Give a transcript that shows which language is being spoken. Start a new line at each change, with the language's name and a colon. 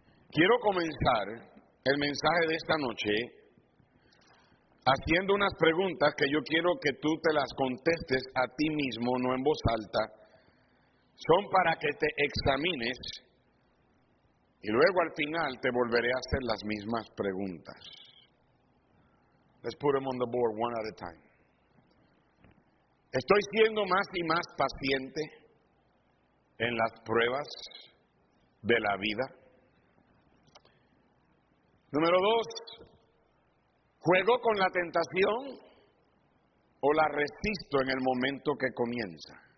Spanish: Quiero comenzar el mensaje de esta noche haciendo unas preguntas que yo quiero que tú te las contestes a ti mismo, no en voz alta. Son para que te examines y luego al final te volveré a hacer las mismas preguntas.
English: Let's put them on the board one at a time.
Spanish: ¿Estoy siendo más y más paciente en las pruebas de la vida? Número dos, ¿juego con la tentación o la resisto en el momento que comienza?